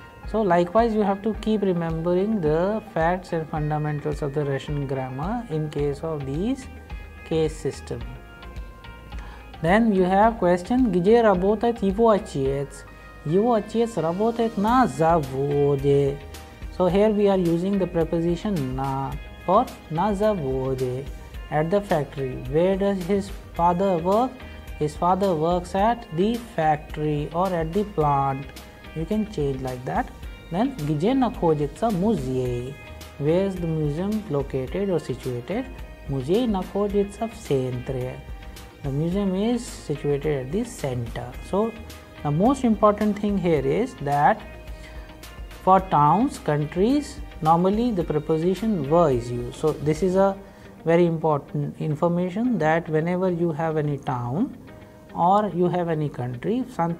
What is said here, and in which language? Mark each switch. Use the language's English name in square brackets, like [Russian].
[English] So likewise, you have to keep remembering the facts and fundamentals of the Russian grammar in case of these case system. Then you have question, [Russian] где работает его отец? Его отец работает на заводе. [English] So here we are using the preposition на for [Russian] на заводе, [English] at the factory. Where does his father work? His father works at the factory or at the plant. You can change like that. Then, [Russian] где находится музей? [English] Where is the museum located or situated? [Russian] Музей находится в центре. [English] The museum is situated at the center. So, the most important thing here is that for towns, countries, normally the preposition va is used. So, this is a very important information that whenever you have any town, or you have any country, St.